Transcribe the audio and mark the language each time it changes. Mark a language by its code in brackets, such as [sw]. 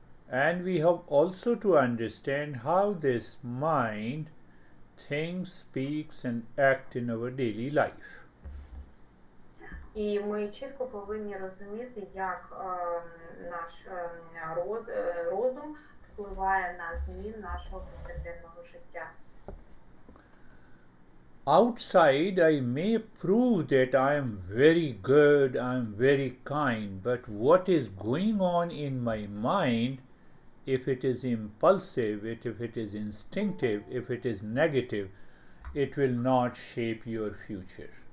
[en] And we have also to understand how this mind thinks, speaks, and acts in our daily life. [uk] І ми чітко повинні розуміти, як наш розум впливає на змін нашого повсякденного життя. [en] Outside, I may prove that I am very good, I am very kind, but what is going on in my mind? If it is impulsive, if it is instinctive, if it is negative, it will not shape your future.